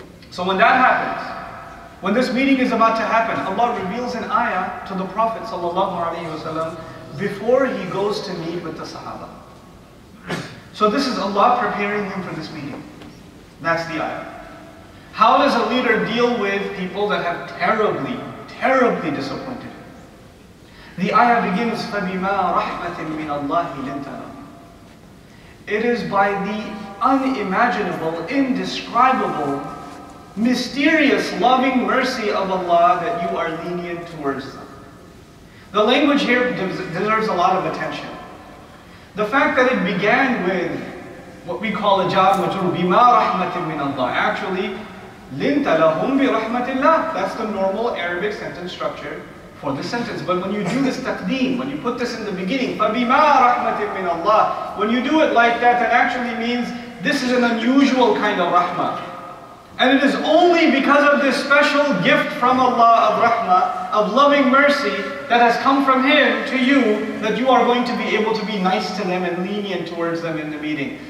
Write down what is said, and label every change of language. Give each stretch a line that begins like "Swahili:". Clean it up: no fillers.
English: So when that happens, when this meeting is about to happen, Allah reveals an ayah to the Prophet ﷺ before he goes to meet with the Sahaba. So this is Allah preparing him for this meeting. That's the ayah. How does a leader deal with people that have terribly, terribly disappointed? The ayah begins,
Arabic: فَبِمَا رَحْمَةٍ مِّنَ اللَّهِ لِنْتَنَا.
English: It is by the unimaginable, indescribable, mysterious, loving mercy of Allah that you are lenient towards them. The language here deserves a lot of attention. The fact that it began with what we call a jar majur,
Arabic: بِمَا رَحْمَةٍ مِّنَ اللَّهِ. Actually, لِنْتَ لَهُمْ بِرَحْمَةٍ لَّهِ.
English: That's the normal Arabic sentence structure for this sentence. But when you do this taqdeem, when you put this in the beginning,
Arabic: فَبِمَا رَحْمَةٍ مِّنَ اللَّهِ,
English: when you do it like that, that actually means this is an unusual kind of rahmah. And it is only because of this special gift from Allah of rahmah, of loving mercy, that has come from Him to you, that you are going to be able to be nice to them and lenient towards them in the meeting.